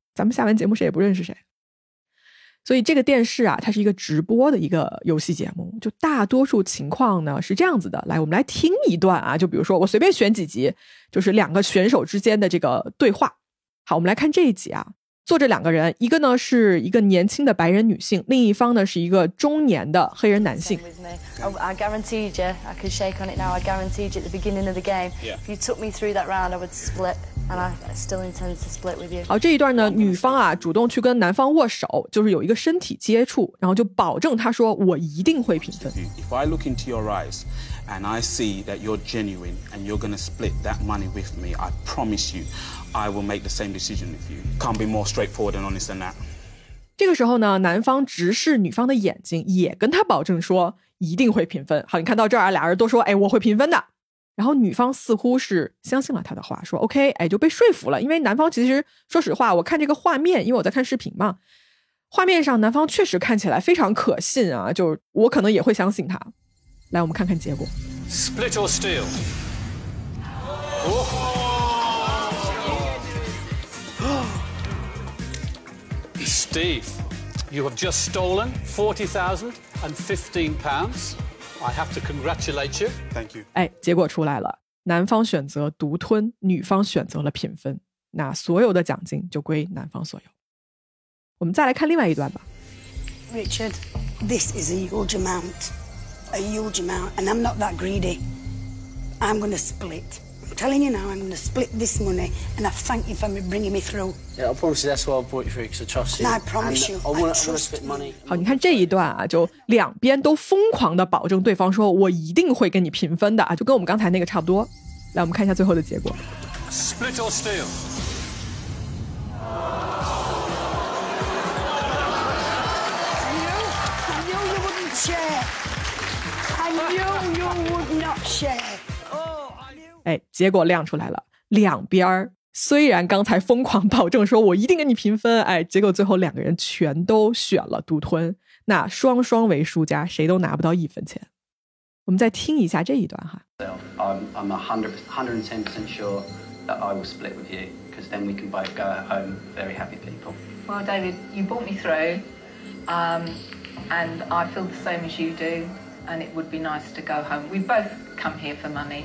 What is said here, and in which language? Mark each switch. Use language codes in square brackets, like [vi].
[zh] 咱们下完节目谁也不认识谁。所以这个电视啊，它是一个直播的一个游戏节目，就大多数情况呢是这样子的。来，我们来听一段啊，就比如说我随便选几集，就是两个选手之间的这个对话。好，我们来看这一集啊，坐着两个人，一个呢是一个年轻的白人女性，另一方呢是一个中年的黑人男性。 [en] I guaranteed you, I could shake on it now, I guaranteed you at the beginning of the game. If you took me through that round, I would split. And I still intend to split with you. [zh] 好，这一段呢，女方啊主动去跟男方握手，就是有一个身体接触，然后就保证他说我一定会平分。 [en] If I look into your eyes and I see that you're genuine and you're going to split that money with me, I promise you, I will make the same decision with you. Can't be more straightforward and honest than that. [zh] 这个时候呢，男方直视女方的眼睛，也跟他保证说一定会平分。好，你看到这儿啊，俩人都说，哎，我会平分的。然后女方似乎是相信了他的话，说 OK， 哎，就被说服了。因为男方其实说实话，我看这个画面，因为我在看视频嘛，画面上男方确实看起来非常可信啊，就是我可能也会相信他。来，我们看看结果。 [en] Split or steal？ 哦，Steve， you have just stolen £40,015。 I have to congratulate you. Thank you. [zh] 哎，结果出来了，男方选择独吞，女方选择了平分，那所有的奖金就归男方所有。我们再来看另外一段吧。 [en] Richard, this is a huge amount, and I'm not that greedy. I'm going to split. I'm telling you now, I'm going to split this money, and I thank you for bringing me through. Yeah, I promise you, that's why I brought you through, because I trust you. No, I promise you, I want to split money. [zh] 好，你看这一段啊，就两边都疯狂的保证对方说，我一定会跟你平分的啊，就跟我们刚才那个差不多。来，我们看一下最后的结果。 [en] Split or steal? I knew you wouldn't share. I knew you would not share. [zh] 哎，结果亮出来了，两边虽然刚才疯狂保证说我一定跟你平分，哎，结果最后两个人全都选了独吞，那双双为输家，谁都拿不到一分钱。我们再听一下这一段哈。 [en] I'm 110% sure that I will split with you, because then we can both go home very happy people. Well, David, you brought me through, and I feel the same as you do. And it would be nice to go home. We both come here for money.